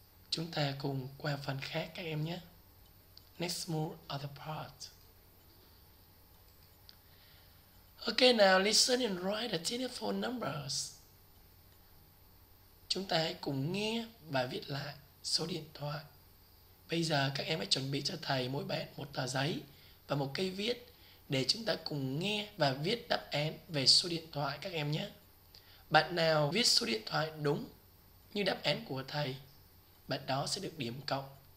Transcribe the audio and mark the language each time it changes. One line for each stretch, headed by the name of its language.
Vietnamese: Chúng ta cùng qua phần khác các em nhé.
English: Next move, other part. Okay, now listen and write the telephone numbers.
Vietnamese: Chúng ta hãy cùng nghe và viết lại số điện thoại. Bây giờ các em hãy chuẩn bị cho thầy mỗi bạn một tờ giấy và một cây viết để chúng ta cùng nghe và viết đáp án về số điện thoại các em nhé. Bạn nào viết số điện thoại đúng như đáp án của thầy, bạn đó sẽ được điểm cộng.